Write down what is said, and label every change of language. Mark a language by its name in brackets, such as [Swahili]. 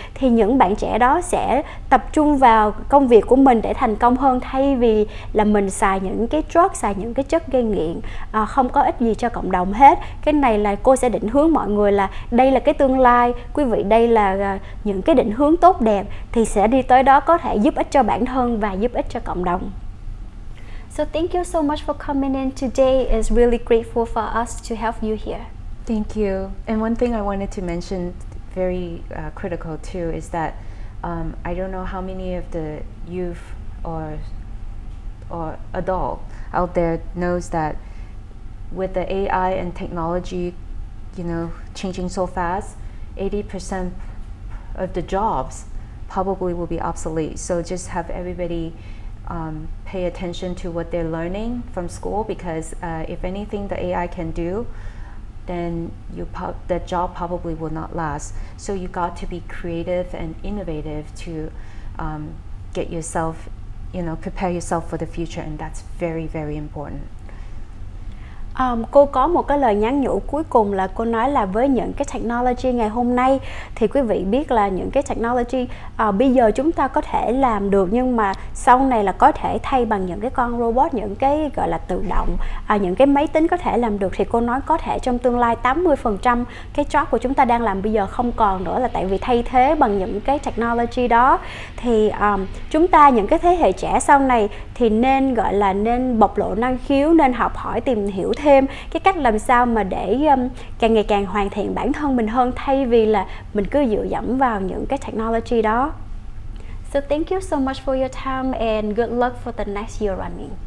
[Vietnamese] Thì những bạn trẻ đó sẽ tập trung vào công việc của mình để thành công hơn, thay vì là mình xài những cái drug, xài những cái chất gây nghiện không có ích gì cho cộng đồng hết. Cái này là cô sẽ định hướng mọi người là đây là cái tương lai, quý vị đây là những cái định hướng tốt đẹp, thì sẽ đi tới đó có thể giúp ích cho bản thân và giúp ích cho cộng đồng. [English] So thank you so much for coming in today. It's really grateful for us to have you here. Thank you. And one thing I wanted to mention, very critical too, is that I don't know how many of the youth or adult out there knows that with the AI and technology, you know, changing so fast, 80% of the jobs probably will be obsolete. So just have everybody pay attention to what they're learning from school, because if anything the AI can do, then the job probably will not last. So you got to be creative and innovative to get yourself you know, prepare yourself for the future, and that's very, very important. [Vietnamese] Cô có một cái lời nhắn nhủ cuối cùng là cô nói là với những cái technology ngày hôm nay thì quý vị biết là những cái technology bây giờ chúng ta có thể làm được, nhưng mà sau này là có thể thay bằng những cái con robot, những cái gọi là tự động, những cái máy tính có thể làm được. Thì cô nói có thể trong tương lai 80% cái job của chúng ta đang làm bây giờ không còn nữa, là tại vì thay thế bằng những cái technology đó. Thì chúng ta những cái thế hệ trẻ sau này thì nên gọi là nên bộc lộ năng khiếu, nên học hỏi tìm hiểu thêm cái cách làm sao mà để càng ngày càng hoàn thiện bản thân mình hơn, thay vì là mình cứ dựa dẫm vào những cái technology đó. [English] So thank you so much for your time and good luck for the next year running.